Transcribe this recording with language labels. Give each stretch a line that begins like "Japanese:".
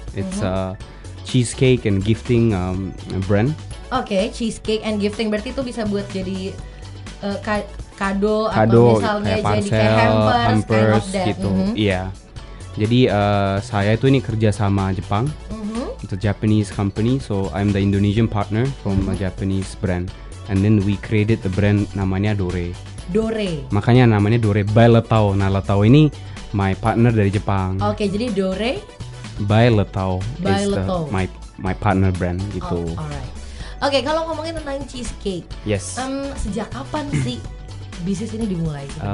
English: It's a cheesecake and gifting brand. Okay, cheesecake and gifting.
Indonesian: Berarti itu bisa buat jadi kado atau misalnya kayak parcel, jadi kayak hampers
English: kind of
Indonesian: gitu. Iya. Jadi saya itu ini kerja sama Jepang.
English: It's a Japanese company, so I'm the Indonesian partner from a Japanese brand. And then we created the brand
Indonesian: namanya
English: Dore. Dore.
Indonesian: Makanya namanya Dore by Letao. Nah, Letao ini
English: my partner
Indonesian: dari Jepang. Oke, okay, jadi Dore
English: by Letao by is Letao. My partner brand gitu. Oh, alright.
Indonesian: Oke, okay, kalau ngomongin tentang cheesecake.
English: Yes.
Indonesian: Sejak kapan sih bisnis ini dimulai?